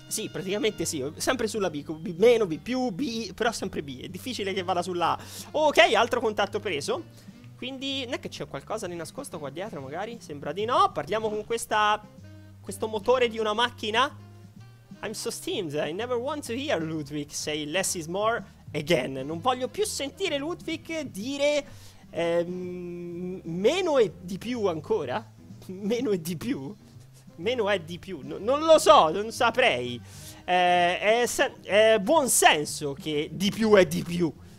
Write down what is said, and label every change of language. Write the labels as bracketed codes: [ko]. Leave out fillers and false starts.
[it] Sì, praticamente sì. Sempre sulla B, B meno, B più, B. Però sempre B, è difficile che vada sulla A. Ok, altro contatto preso. Quindi, non è che c'è qualcosa di nascosto qua dietro, magari? Sembra di no. Parliamo con questa... Questo motore di una macchina. [en] I'm so steamed. I never want to hear Ludwig say less is more again. [it] Non voglio più sentire Ludwig dire... meno e di più ancora. Meno e di più. Meno è di più. No, non lo so, non saprei. È buon senso che di più è di più.